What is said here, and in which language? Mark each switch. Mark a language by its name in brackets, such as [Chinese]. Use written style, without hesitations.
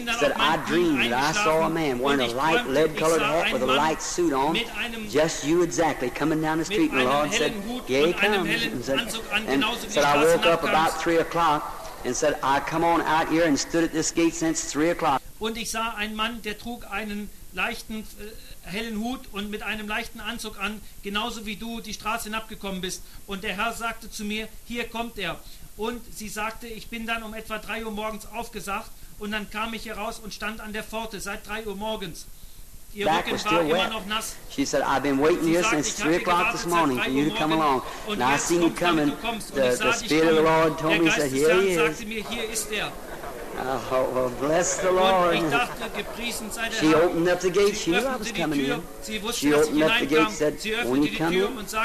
[English] Said, I dreamed that I saw a man wearing a light lead-colored hat with a light suit on, just you exactly, coming down the street. And the Lord said, yeah, he comes. And said, I woke up about 3 o'clock. And said, I come on out here and stood at this gate since 3 o'clock. [German] Und ich sah einen Mann, der trug einen leichten hellen Hut und mit einem leichten Anzug an, genauso wie du die Straße hinabgekommen bist. Und der Herr sagte zu mir, hier kommt er. Und sie sagte, ich bin dann um etwa 3 Uhr morgens aufgesagt und dann kam ich hier raus und stand an der Pforte seit 3 Uhr morgens. Ihr Rücken war still immer noch nass. [English] She said, I've been waiting here since 3 o'clock this morning for you to come along. And I seen you coming. The Spirit of the Lord told me, said, here he is. Oh, well, bless the Lord. She opened up the gate. She knew I was coming in. She opened up the gate, said, will you come in?